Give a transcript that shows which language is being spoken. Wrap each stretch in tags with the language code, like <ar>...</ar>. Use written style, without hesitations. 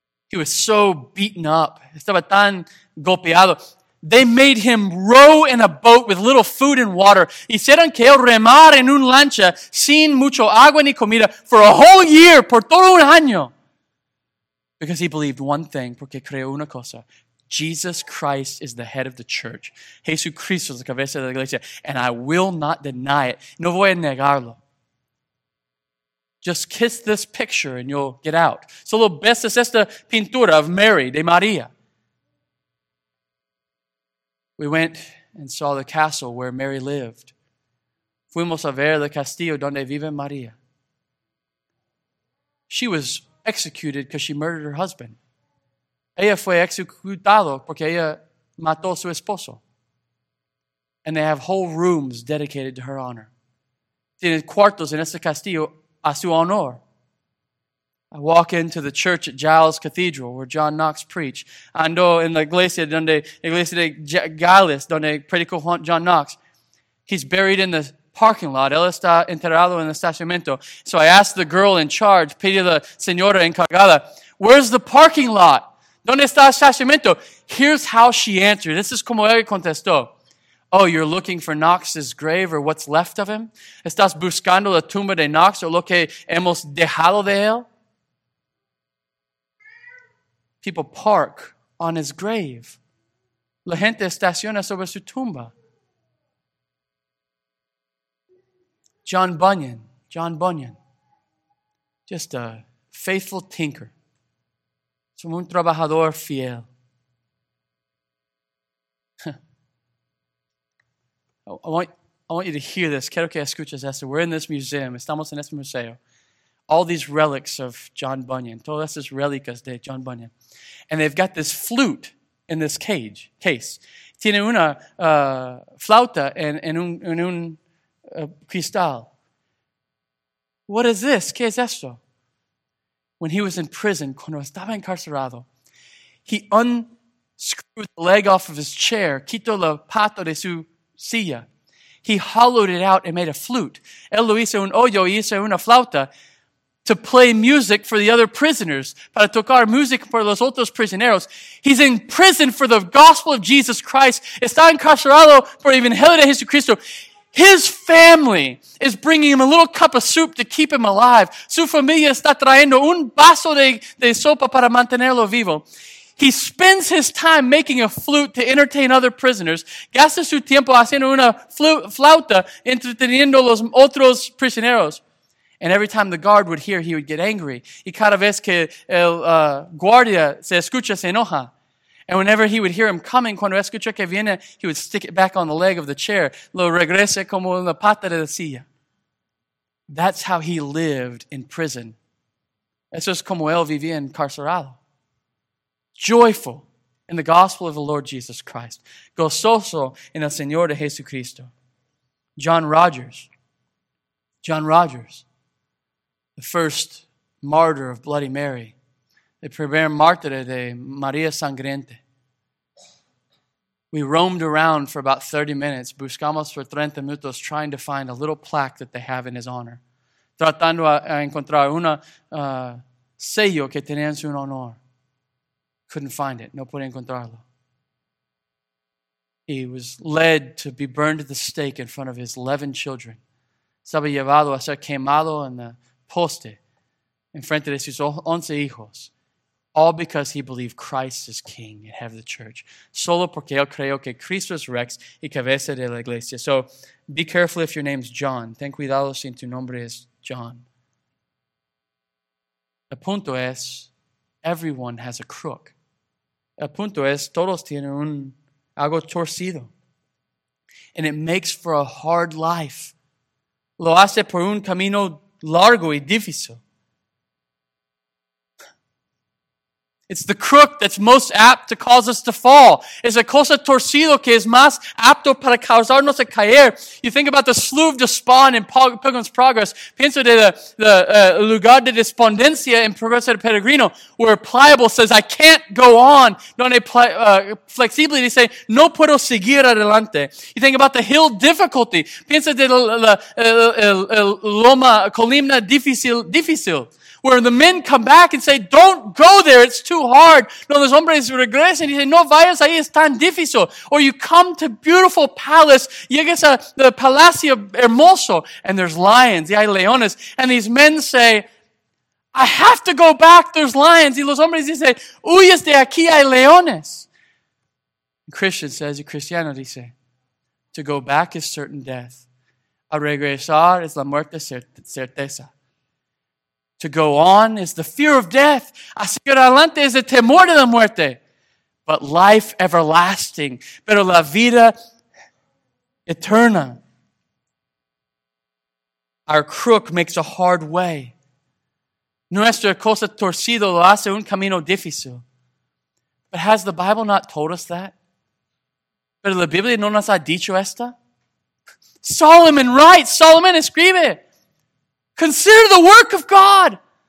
<en>He was so beaten up,</en> <es>estaba tan golpeado.</es> <en>They made him row in a boat with little food and water.</en> <es>Hicieron que él remar en una lancha sin mucho agua ni comida</es> <en>for a whole year,</en> <es>por todo un año.</es> <en>Because he believed one thing,</en> <es>porque creó una cosa.</es> <en>Jesus Christ is the head of the church.</en> <es>Jesucristo es la cabeza de la iglesia.</es> <en>And I will not deny it.</en> <es>No voy a negarlo.</es> <en>Just kiss this picture and you'll get out.</en> <es>Solo besas esta pintura</es> <en>of Mary,</en> <es>de María.</es> <en>We went and saw the castle where Mary lived.</en> <es>Fuimos a ver el castillo donde vive María.</es> <en>She was executed because she murdered her husband.</en> <es>Ella fue ejecutada porque ella mató a su esposo.</es> <en>And they have whole rooms dedicated to her honor.</en> <es>Tiene cuartos en este castillo a su honor.</es> <en>I walk into the church at Giles Cathedral where John Knox preached.</en> <es>Ando en la iglesia de Giles, donde predicó John Knox.</es> <en>He's buried in the parking lot.</en> <es>Él está enterrado en el estacionamiento.</es> <en>So I asked the girl in charge,</en> <es>pedí la señora encargada,</es> <en>where's the parking lot?</en> <es>¿Dónde está el estacionamiento?</es> <en>Here's how she answered. This is</en> <es>como ella contestó.</es> <en>Oh, you're looking for Knox's grave or what's left of him?</en> <es>¿Estás buscando la tumba de Knox o lo que hemos dejado de él?</es> <en>People park on his grave.</en> <es>La gente estaciona sobre su tumba.</es> <en>John Bunyan, just a faithful tinker.</en> <es>Son un trabajador fiel.</es> <en>I want you to hear this.</en> <es>Quiero que escuches esto.</es> <en>We're in this museum.</en> <es>Estamos en este museo.</es> <en>All these relics of John Bunyan.</en> <es>Todas esas relicas de John Bunyan.</es> <en>And they've got this flute in this case.</en> <es>Tiene una flauta en un cristal.</es> <en>What is this?</en> <es>¿Qué es esto?</es> <en>When he was in prison,</en> <es>cuando estaba encarcerado,</es> <en>he unscrewed the leg off of his chair,</en> <es>quitó la pata de su silla.</es> <en>He hollowed it out and made a flute.</en> <es>Él lo hizo un hoyo y hizo una flauta</es> <en>to play music for the other prisoners,</en> <es>para tocar music por los otros prisioneros.</es> <en>He's in prison for the gospel of Jesus Christ.</en> <es>Está encarcerado por el Evangelio de Jesucristo.</es> <en>His family is bringing him a little cup of soup to keep him alive.</en> <es>Su familia está trayendo un vaso de sopa para mantenerlo vivo.</es> <en>He spends his time making a flute to entertain other prisoners.</en> <es>Gasta su tiempo haciendo una flauta entreteniendo los otros prisioneros.</es> <en>And every time the guard would hear, he would get angry.</en> <es>Y cada vez que el guardia se escucha, se enoja.</es> <en>And whenever he would hear him coming,</en> <es>cuando escucha que viene,</es> <en>he would stick it back on the leg of the chair.</en> <es>Lo regrese como en la pata de la silla.</es> <en>That's how he lived in prison.</en> <es>Eso es como él vivía encarcerado.</es> <en>Joyful in the gospel of the Lord Jesus Christ.</en> <es>Gozoso en el Señor de Jesucristo.</es> <en>John Rogers. The first martyr of Bloody Mary.</en> <es>The primer mártir de María Sangriente.</es> <en>We roamed around for about 30 minutes,</en> <es>buscamos por 30 minutos,</es> <en>trying to find a little plaque that they have in his honor.</en> <es>Tratando a encontrar una sello que tenía en su honor.</es> <en>Couldn't find it.</en> <es>No pude encontrarlo.</es> <en>He was led to be burned at the stake in front of his 11 children.</en> <es>Estaba llevado a ser quemado en la poste en frente de sus 11 hijos.</es> <en>All because he believed Christ is king and head of the church.</en> <es>Solo porque él creyó que Cristo es rex y cabeza de la iglesia.</es> <en>So be careful if your name's John.</en> <es>Ten cuidado si tu nombre es John. El punto es,</es> <en>everyone has a crook.</en> <es>El punto es, todos tienen un algo torcido.</es> <en>And it makes for a hard life.</en> <es>Lo hace por un camino largo y difícil.</es> <en>It's the crook that's most apt to cause us to fall.</en> <es>Es la cosa torcido que es más apto para causarnos a caer.</es> <en>You think about the slough of despond in Pilgrim's Progress.</en> <es>Pienso de lugar de despondencia en Progreso de Peregrino,</es> <en>where Pliable says, I can't go on.</en> <es>Donde</es> <en>flexibly they say,</en> <es>no puedo seguir adelante.</es> <en>You think about the hill difficulty.</en> <es>Pienso de la loma, columna difícil.</es> <en>where the men come back and say, don't go there, it's too hard.</en> <es>No, los hombres regresan y dicen, no vayas ahí, es tan difícil.</es> <en>Or you come to beautiful palace,</en> <es>llegas a the palacio hermoso,</es> <en>and there's lions,</en> <es>y hay leones.</es> <en>And these men say, I have to go back, there's lions.</en> <es>Y los hombres dicen, huyes de aquí, hay leones.</es> <en>And Christian says,</en> <es>el cristiano dice,</es> <en>to go back is certain death.</en> <es>A regresar es la muerte certeza.</es> <en>To go on is the fear of death.</en> <es>A seguir adelante es el temor de la muerte.</es> <en>But life everlasting.</en> <es>Pero la vida eterna.</es> <en>Our crook makes a hard way.</en> <es>Nuestra cosa torcida lo hace un camino difícil.</es> <en>But has the Bible not told us that?</en> <es>Pero la Biblia no nos ha dicho esta?</es> <en>Solomon writes,</en> <es>Solomon escribe,</es> <en>consider the work of God.</en>